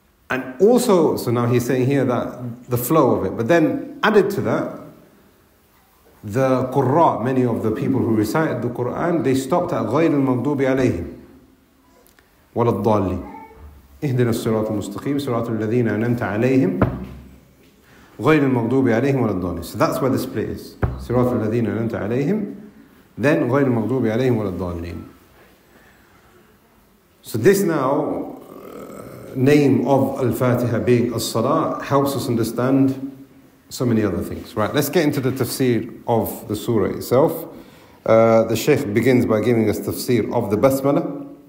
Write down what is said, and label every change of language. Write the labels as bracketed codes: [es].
[en] And also, so now he's saying here that the flow of it, but then added to that, the قراء, many of the people who recited the Quran, they stopped at [ar] غير المغضوب عليهم ولا الضالين. اهدنا الصراط المستقيم صراط الذين أنعمت عليهم غير المغضوب عليهم ولا الضالين. [en] So that's where the split is. [ar] صراط الذين أنعمت عليهم [en] then [ar] غير المغضوب عليهم ولا الضالين. [en] So this now name of Al-Fatiha being As-Salah helps us understand so many other things. Right, let's get into the tafsir of the surah itself. The Shaykh begins by giving us tafsir of the Basmalah.